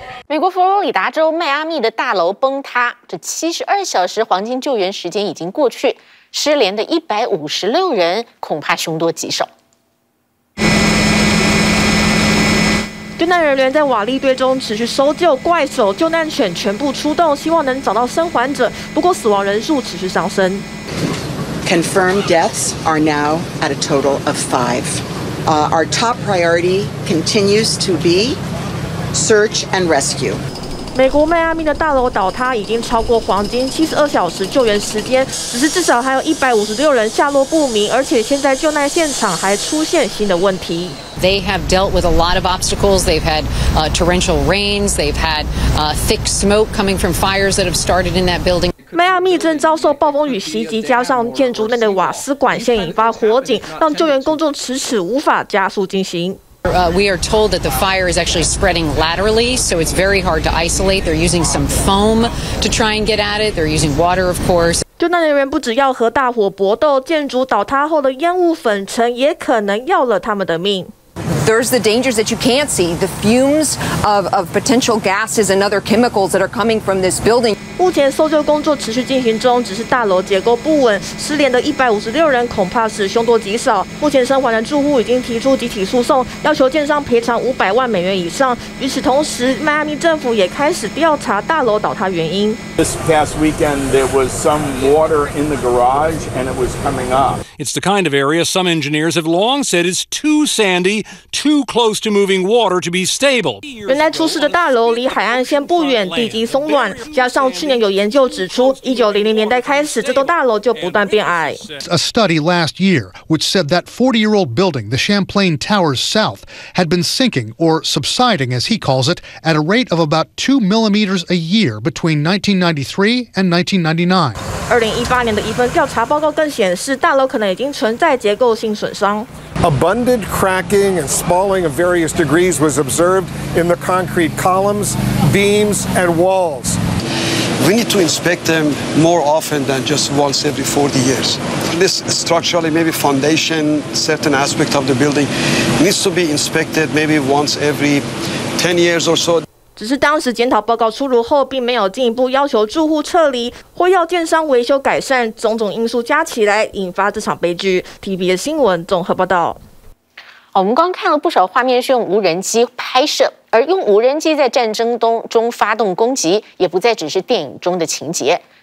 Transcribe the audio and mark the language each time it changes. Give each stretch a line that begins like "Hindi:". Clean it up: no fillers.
Chinese: 美国佛罗里达州迈阿密的大楼崩塌，这72小时黄金救援时间已经过去，失联的156人恐怕凶多吉少。救难人员在瓦砾堆中持续搜救，怪手救难犬全部出动，希望能找到生还者。不过死亡人数持续上升。
English: Confirmed deaths are now at a total of 5. Our top priority continues to be search and rescue.
Chinese: 美国迈阿密的大楼倒塌已经超过黄金72小时救援时间，只是至少还有156人下落不明，而且现在救难现场还出现新的问题。
English: They have dealt with a lot of obstacles. They've had torrential rains. They've had thick smoke coming from fires that have started in that building.
Chinese: 迈阿密正遭受暴风雨袭击，加上建筑内的瓦斯管线引发火警，让救援工作迟迟无法加速进行。
English: We are told that the fire is actually spreading laterally, so it's very hard to isolate. They're using some foam to try and get at it. They're using water, of course.
Chinese: 救难人员不只要和大火搏斗，建筑倒塌后的烟雾粉尘也可能要了他们的命。
English: There's the dangers that you can't see. The fumes of potential gases and other chemicals that are coming from this building.
Chinese: 目前搜救工作持续进行中，只是大楼结构不稳，失联的156人恐怕是凶多吉少。目前生还的住户已经提出集体诉讼，要求建商赔偿$500万以上。与此同时，迈阿密政府也开始调查大楼倒塌原因。
English: This past weekend, there was some water in the garage, and it was coming up. It's the kind of area some engineers have long said is too sandy. Too close to moving water to be stable.
Chinese: 原来出事的大楼离海岸线不远，地基松软，加上去年有研究指出，1900年代开始，这栋大楼就不断变矮。
English: A study last year which said that 40-year-old building, the Champlain Towers South, had been sinking or subsiding, as he calls it, at a rate of about 2 millimeters a year between 1993 and 1999.
Chinese: 2018年的一份调查报告更显示，大楼可能已经存在结构性损伤。
English: Abundant cracking and spalling of various degrees was observed in the concrete columns, beams, and walls. We need to inspect them more often than just once every 40 years. This structurally, maybe foundation, certain aspect of the building needs to be inspected maybe once every 10 years or so.
Chinese: 只是当时检讨报告出炉后，并没有进一步要求住户撤离，或要建商维修改善，种种因素加起来引发这场悲剧。 TVBS 新闻综合报道。我们刚看了不少画面是用无人机拍摄，而用无人机在战争中发动攻击，也不再只是电影中的情节。